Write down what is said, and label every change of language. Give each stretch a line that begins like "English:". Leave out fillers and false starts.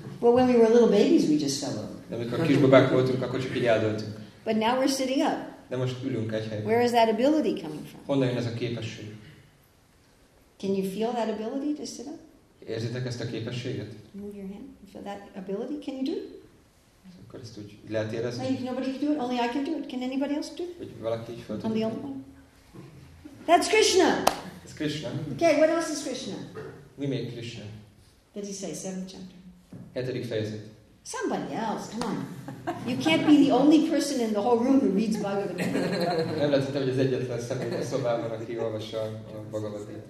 English: Well, when we were little babies, we just fell over.
Hungarian: Amikor kisbabák voltunk, akkor csak így eldőltünk.
English: But now we're sitting up.
Hungarian: De most ülünk egy helyben.
English: Where is that ability coming from?
Hungarian: Honnan jön ez a képesség?
English: Can you feel that ability to sit up?
Hungarian: Érzitek ezt a képességet?
English: Move your hand. You feel that ability? Can you do it?
Hungarian: Akkor ezt úgy lehet érezni?
English: No, nobody can do it. Only I can do it. Can anybody else do it?
Hungarian: Hogy valaki így
English: feltudni? I'm the only one. That's Krishna! It's Krishna. Okay, what else is Krishna? We make Krishna. Did he say seventh chapter?
Hungarian: Hetedik fejezet.
English: Somebody else, come on. You can't be the only person in the whole room who reads Bhagavad Gita.
Hungarian: Nem lehet, hogy az egyetlen személy a szobában, aki olvassa a Bhagavad Gita.